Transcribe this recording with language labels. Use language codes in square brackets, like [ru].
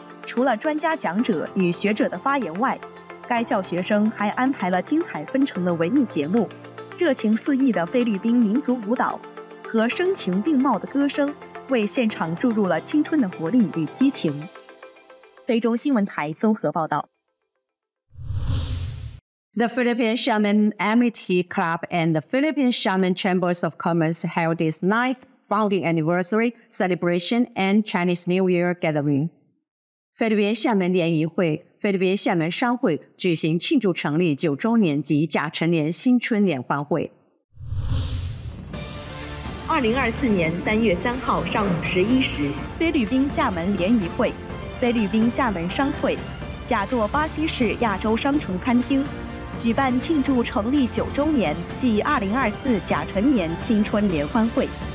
[zh] 除了专家讲者与学者的发言外，该校学生还安排了精彩纷呈的文艺节目，热情四溢的菲律宾民族舞蹈和声情并茂的歌声为现场注入了青春的活力与激情。非洲新闻台综合报道。 [en] The Philippine Shaman Amity Club and the Philippine Shaman Chambers of Commerce held its 9th founding anniversary celebration and Chinese New Year gathering. [zh] 菲律宾厦门联谊会、菲律宾厦门商会举行庆祝成立九周年及甲辰年新春联欢会。 2024年3月3号上午11时，菲律宾厦门联谊会、菲律宾厦门商会假座巴西市亚洲商城餐厅举办庆祝成立九周年暨2024甲辰年新春联欢会。